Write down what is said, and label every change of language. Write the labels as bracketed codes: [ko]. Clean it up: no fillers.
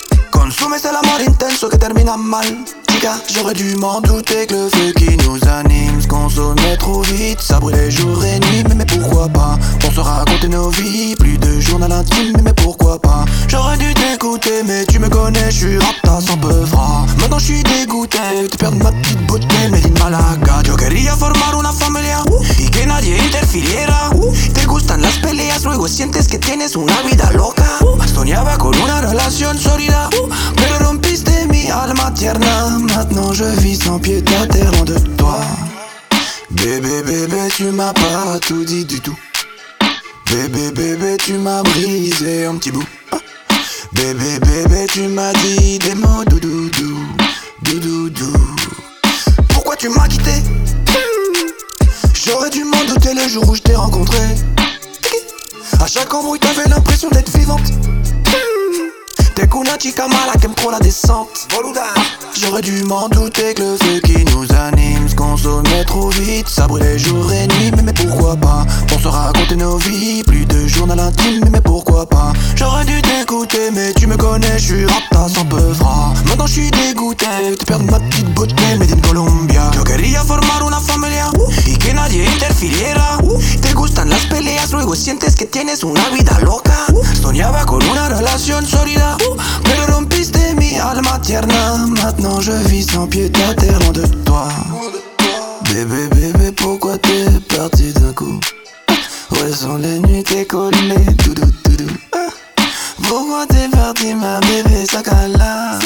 [fr] Consumé c'est l'amour [es] intenso que termina mal. [fr] J'aurais dû m'en douter que le feu qui nous anime se consommait trop vite. Ça brûlait jour et nuit, mais pourquoi pas? On se racontait nos vies, plus de journal intime, mais pourquoi pas? J'aurais dû t'écouter, mais tu me connais, je suis rapta sans beuvra. Maintenant je suis dégoûté de perdre ma petite beauté. Mais dis-moi la gâte, [es] yo quería formar una familia y que nadie interfiriera. Te gustan las peleas, luego sientes que tienes una vida loca. Soñaba con una relación sólida, pero rompiste mi alma tierna. [fr] Maintenant je vis sans pied à terre loin de toi. Bébé, bébé, tu m'as pas tout dit du tout. Bébé, bébé, tu m'as brisé un petit bout. Bébé, bébé, tu m'as dit des mots doudou, doudou, doudou. Pourquoi tu m'as quitté? J'aurais dû m'en douter le jour où je t'ai rencontré. À chaque embrouille t'avais l'impression d'être vivante. T'es qu'une [es] chica mala [fr] qui aime trop la descente. [es] Boluda. [fr] J'aurais dû m'en douter que le feu qui nous anime se consommait trop vite. Ça brûlait jour et nuit, mais pourquoi pas? Pour se raconter nos vies, plus de journal intime, mais pourquoi pas? J'aurais dû t'écouter, mais tu me connais, je suis rapta sans beuvra. Maintenant je suis dégoûté de perdre ma petite beauté, [en] made in Colombia. [es] Yo quería formar una familia y que nadie interfiriera. Te gustan las peleas, luego sientes que tienes una vida loca. Soñaba con una relación sólida, pero rompiste mi alma tierna. [fr] Maintenant je vis sans pied à terre loin de toi. Bébé, bébé, pourquoi t'es parti d'un coup? Où sont les nuits t'es collé, doudou, doudou? Pourquoi t'es parti, ma bébé, sac à l'âme?